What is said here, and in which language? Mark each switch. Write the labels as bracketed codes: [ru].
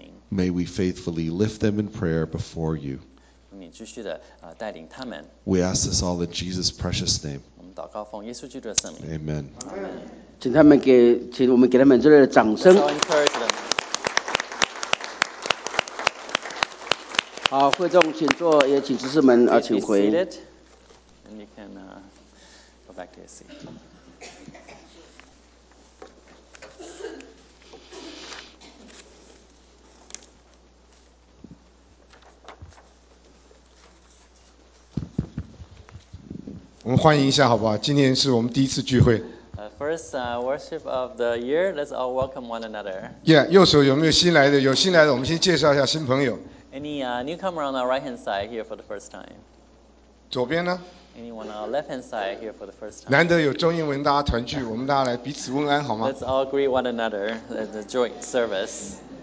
[en] May we faithfully lift them in prayer before you. We ask this all in Jesus' precious name. Amen. Amen. [zh] 请他们给，请我们给他们热烈的掌声。好，会众请坐，也请执事们啊，请回。 [en] And you can go back to your seat. [zh] 我们欢迎一下好不好？今天是我们第一次聚会。 [en] Worship of the year, let's all welcome one another. [zh] Yeah, 右手有没有新来的？有新来的，我们先介绍一下新朋友。 [en] Any newcomer on our right hand side here for the first time? [zh] 左边呢？ [en] Anyone on our left hand side here for the first time? [zh] 难得有中英文大家团聚，我们大家来彼此问安好吗 [en] ？Let's all greet one another at the joint service.